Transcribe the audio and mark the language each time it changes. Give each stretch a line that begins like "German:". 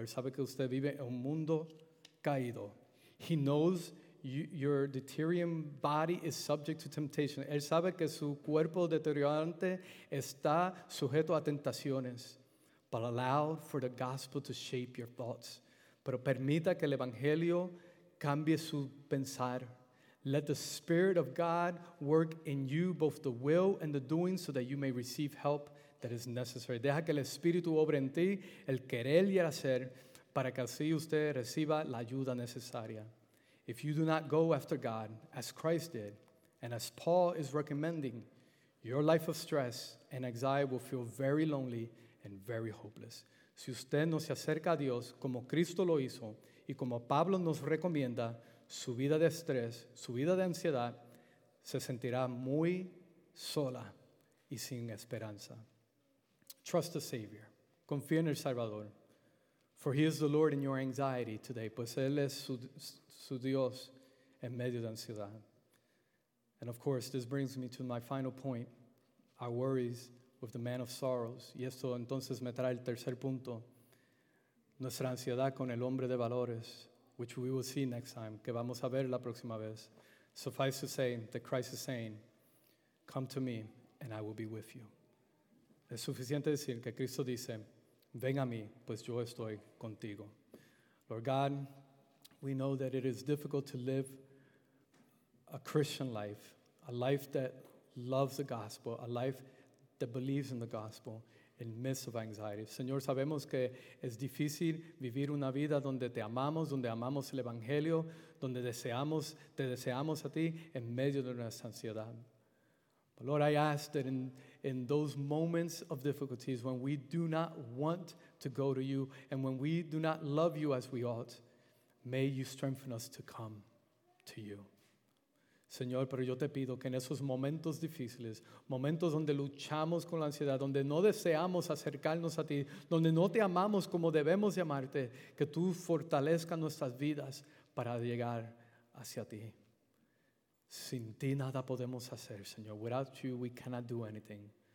Spanish: Él sabe que usted vive en un mundo caído.
English: He knows your deteriorating body is subject to temptation.
Spanish: Él sabe que su cuerpo deteriorante está sujeto a tentaciones.
English: But allow for the gospel to shape your thoughts.
Spanish: Pero permita que el evangelio cambie su pensar.
English: Let the Spirit of God work in you both the will and the doing so that you may receive help that is necessary.
Spanish: Deja que el Espíritu obre en ti el querer y el hacer para que así usted reciba la ayuda necesaria.
English: If you do not go after God as Christ did and as Paul is recommending, your life of stress and anxiety will feel very lonely and very hopeless.
Spanish: Si usted no se acerca a Dios como Cristo lo hizo y como Pablo nos recomienda, su vida de estrés, su vida de ansiedad, se sentirá muy sola y sin esperanza.
English: Trust the Savior.
Spanish: Confía en el Salvador.
English: For he is the Lord in your anxiety today.
Spanish: Pues él es su Dios en medio de ansiedad.
English: And of course, this brings me to my final point. Our worries with the man of sorrows.
Spanish: Y esto entonces me trae el tercer punto. Nuestra ansiedad con el hombre de valores.
English: Which we will see next time,
Spanish: que vamos a ver la próxima vez.
English: Suffice to say that Christ is saying, come to me and I will be with you.
Spanish: Es suficiente decir que Cristo dice, ven a mí, pues yo estoy contigo.
English: Lord God, we know that it is difficult to live a Christian life, a life that loves the gospel, a life that believes in the gospel, in midst of anxiety.
Spanish: Señor, sabemos que es difícil vivir una vida donde te amamos, donde amamos el Evangelio, donde deseamos, te deseamos a ti en medio de nuestra ansiedad.
English: But Lord, I ask that in those moments of difficulties when we do not want to go to you and when we do not love you as we ought, may you strengthen us to come to you.
Spanish: Señor, pero yo te pido que en esos momentos difíciles, momentos donde luchamos con la ansiedad, donde no deseamos acercarnos a ti, donde no te amamos como debemos llamarte, que tú fortalezcas nuestras vidas para llegar hacia ti. Sin ti nada podemos hacer, Señor.
English: Without you, we cannot do anything.